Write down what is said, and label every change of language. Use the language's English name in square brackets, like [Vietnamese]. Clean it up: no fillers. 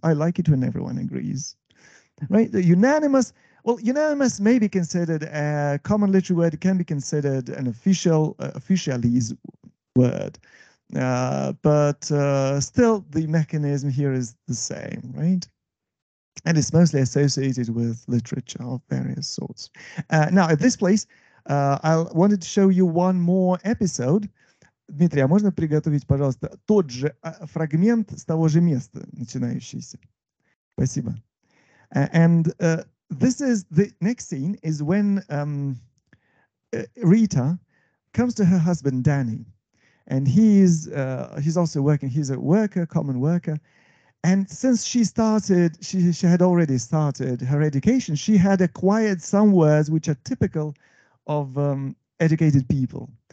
[English] I like it when everyone agrees. Right? The unanimous, well, unanimous may be considered a common literary word. It can be considered an official, officialese word. But still, the mechanism here is the same, right? And it's mostly associated with literature of various sorts. Now, at this place, I wanted to show you one more episode. [Russian] Дмитрий, а можно приготовить, пожалуйста, тот же фрагмент с того же места начинающийся? Спасибо. [English] This is the next scene is when Rita comes to her husband, Danny. And he's also working. He's a worker, common worker. And since she had already started her education, she had acquired some words which are typical of educated people.